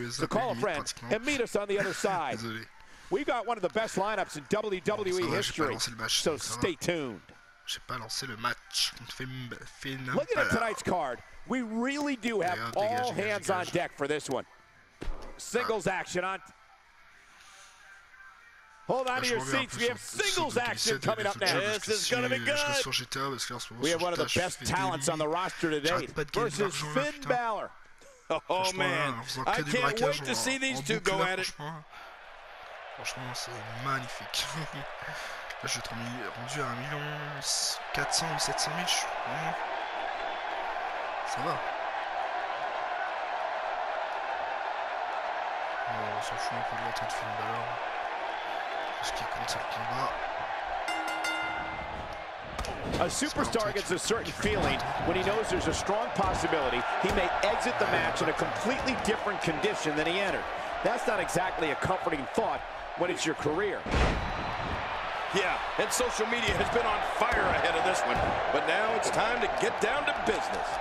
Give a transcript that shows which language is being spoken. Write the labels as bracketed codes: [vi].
[en] So call a friend and meet us on the other side. We've got one of the best lineups in WWE history. So stay tuned. [fr] J'ai pas lancé le match contre Finn Balor. [en] Look at tonight's card. We really do have all hands on deck for this one. Singles action on. Hold on to your seats, we have singles action coming up next. This is gonna be good. We have one of the best talents on the roster today versus Finn Balor. Oh man, I can't wait to see these two go at it. [fr] Franchement, c'est magnifique. Là, je vais être rendu à 1 400 000 ou 700 000. Ça va. On s'en fout un peu de la tête de Finn Balor. Ce qui compte, c'est le combat. [en] A superstar gets a certain feeling when he knows there's a strong possibility he may exit the match in a completely different condition than he entered. That's not exactly a comforting thought when it's your career. Yeah, and social media has been on fire ahead of this one. But now it's time to get down to business.